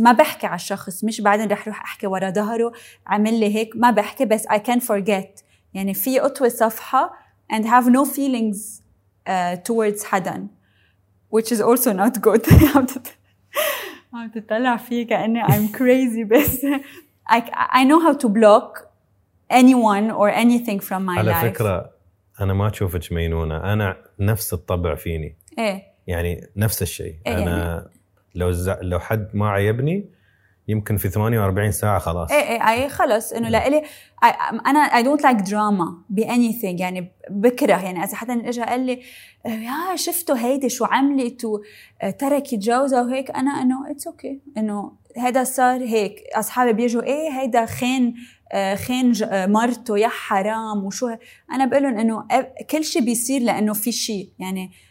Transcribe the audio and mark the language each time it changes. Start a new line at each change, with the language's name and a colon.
Arabic: ما بحكي على الشخص. مش بعدين رح روح أحكي ورا ظهره عمل لي هيك. ما بحكي.
English: بس I can forget.
Arabic: يعني في أطوي صفحة
English: and have no feelings towards
Arabic: حدا.
English: Which is also not good.
Arabic: عم تطلع فيه كأني
English: I'm crazy.
Arabic: بس
English: I know how to block anyone or anything from my
Arabic: على
English: life.
Arabic: على فكرة أنا ما أشوفك مينونة، أنا نفس الطبع فيني. إيه. يعني نفس الشيء. إيه أنا يعني؟ لو حد ما عيبني يمكن في 48 ساعة خلاص. إيه إيه أي خلاص إنه لإلي أنا
English: I don't like drama be anything
Arabic: يعني بكره يعني إذا حدا إجا قال لي يا شفتوا هيدي شو عملت وتركي جوزة وهيك أنا إنه
English: it's okay
Arabic: إنه هيدا صار هيك أصحابي بيجوا إيه هيدا خين خين مرته يا حرام وشو أنا بقولهم إنه كل شيء بيصير لأنه في شيء يعني